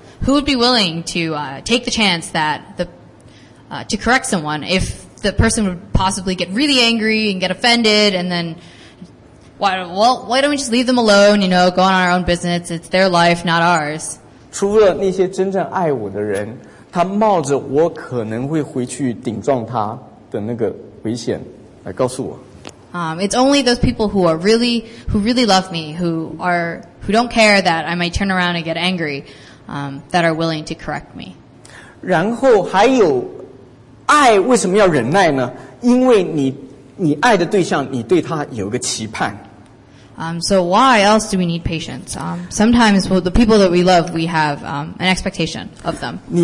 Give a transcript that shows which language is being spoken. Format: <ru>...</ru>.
<en>Who would be willing to take the chance that to correct someone if the person would possibly get really angry and get offended, and then why don't we just leave them alone, you know, go on our own business, it's their life, not ours.</en> <zh>除了那些真正爱我的人，他冒着我可能会回去顶撞他的那个危险来告诉我。</zh> <en>It's only those people who really love me, who don't care that I might turn around and get angry, that are willing to correct me.</en> <zh>然后还有 爱为什么要忍耐呢？因为你爱的对象，你对他有个期盼。</zh> <en>So why else do we need patience? Sometimes, well, the people that we love, we have an expectation of them.</en>